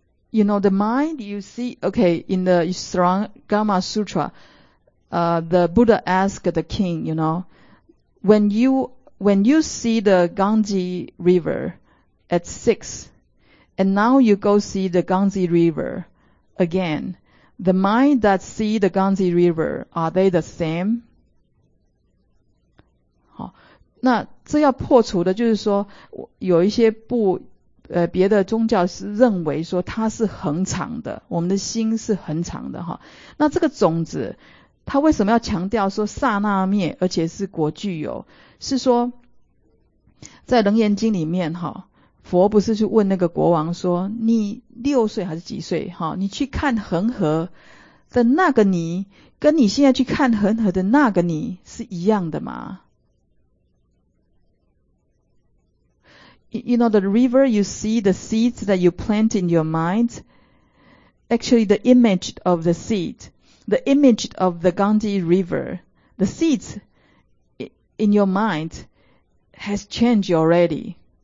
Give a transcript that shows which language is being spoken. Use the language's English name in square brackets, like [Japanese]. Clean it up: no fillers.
[English] You know, the mind you see, okay, in the Sarangama Sutra, the Buddha asked the king, you know, when you see the Ganges River at 6, and now you go see the Ganges River again, the mind that see the Ganges River, are they the same? [Chinese] 好，那这要破除的就是说，有一些别的宗教是认为说它是恒常的，我们的心是恒常的哈。那这个种子，它为什么要强调说刹那灭，而且是果具有？是说，在楞严经里面哈，佛不是去问那个国王说，你6岁还是几岁哈？你去看恒河的那个你，跟你现在去看恒河的那个你是一样的吗？ [English] You know, the river you see, the seeds that you plant in your mind, actually the image of the seed, the image of the Ganges River, the seeds in your mind has changed already.